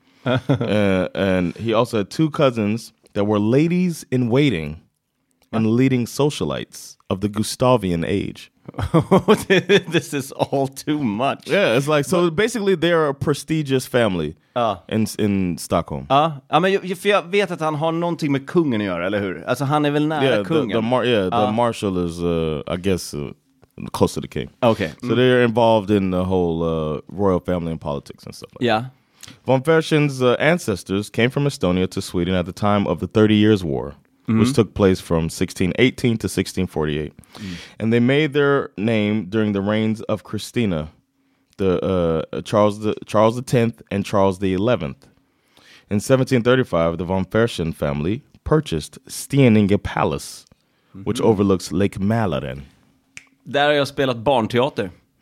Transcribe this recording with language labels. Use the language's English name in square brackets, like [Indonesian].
[English] and he also had two cousins that were ladies in waiting and leading socialites of the Gustavian age. This is all too much. Yeah, it's like so. But, basically, they are a prestigious family in Stockholm. [Swedish] Ja, men för jag vet att han har någonting med kungen att göra, eller hur? Alltså han är väl nära kungen. [English] The marshal is, I guess, close to the king. Okay. So they are involved in the whole royal family and politics and stuff like that. Von Fersen's ancestors came from Estonia to Sweden at the time of the 30 Years' War, which took place from 1618 to 1648. Mm. And they made their name during the reigns of Christina, Charles X and Charles XI. In 1735, the Von Fersen family purchased Steninge Palace, which overlooks Lake Mälaren. [Swedish] Där har jag spelat barnteater.